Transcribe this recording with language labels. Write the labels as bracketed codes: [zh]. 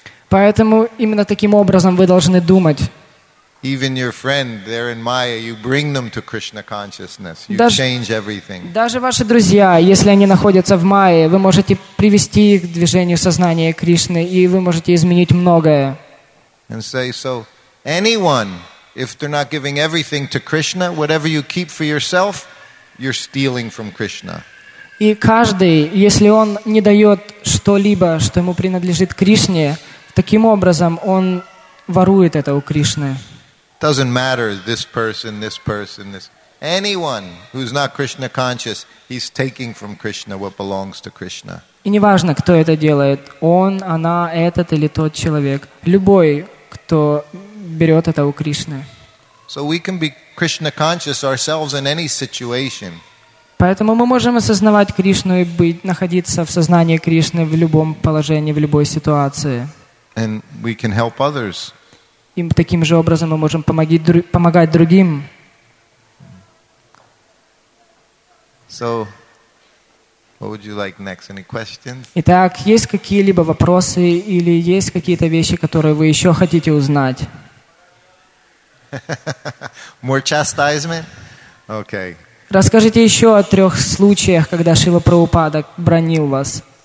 [ru] Поэтому именно таким образом вы должны думать. [en] Even your friend there in Maya, you bring them to Krishna consciousness. You change everything. [ru] Даже ваши друзья, если они находятся в Майе, вы можете привести их к движению сознания Кришны, и вы можете изменить многое. [en] And say, so anyone, if they're not giving everything to Krishna, whatever you keep for yourself, you're stealing from Krishna. [ru] И каждый, если он не дает что-либо, что ему принадлежит Кришне, таким образом он ворует это у Кришны. [en] Doesn't matter this person, anyone who's not Krishna conscious, he's taking from Krishna what belongs to Krishna. [ru] И неважно, кто это делает, он, она, этот или тот человек, любой, кто берет это у Кришны. [en] So we can be Krishna conscious ourselves in any situation. [ru] Поэтому мы можем осознавать Кришну и быть, находиться в сознании Кришны в любом положении, в любой ситуации. [en] And we can help others. [ru] И таким же образом мы можем помогать другим. [en] So, what would you like next? Any questions? [ru] Итак, есть какие-либо вопросы или есть какие-то вещи, которые вы еще хотите узнать? [en] More chastisement? Okay. [ru] Расскажите еще о трех случаях, когда Шрила Прабхупада бранил вас.